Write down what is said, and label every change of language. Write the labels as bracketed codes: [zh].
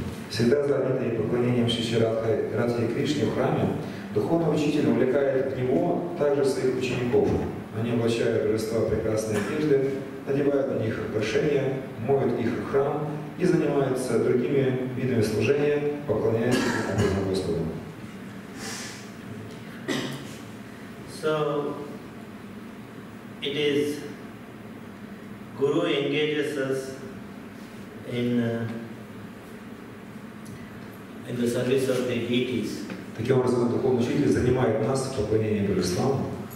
[ru] Всегда занятый поклонением Шри Радхе Радхе Кришне в храме, духовный учитель увлекает его также своих учеников. Они облачают божества прекрасные одежды, надевают на них украшения, моют их в храм и занимаются другими видами служения, поклоняясь их образу Господу. [en] So, it is Guru engages us in the service of the deities. [ru] Таким образом, духовный учитель занимает нас в поклонении Божествам.